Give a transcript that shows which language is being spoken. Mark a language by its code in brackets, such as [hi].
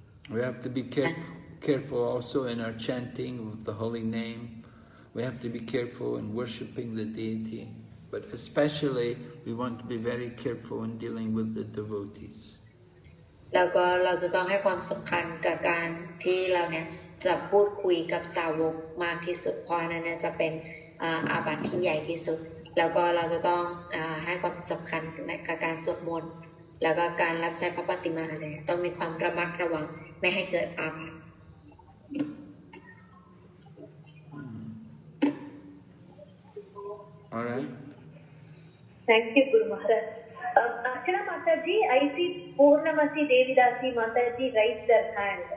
[en] We have to be careful also in our chanting of the holy name. We have to be careful in worshipping the deity. But especially, we want to be very careful in dealing with the devotees. [th] แล้วก็เราจะต้องให้ความสำคัญกับการสวดมนต์แล้วก็การรับใช้พระปฏิมาเนี่ยต้องมีความระมัดระวังไม่ให้เกิดอาบัติ [en] Thank you Guru Maharaj. Archana Mataji, I see Purnamasi Devidasi Mataji raise their hand.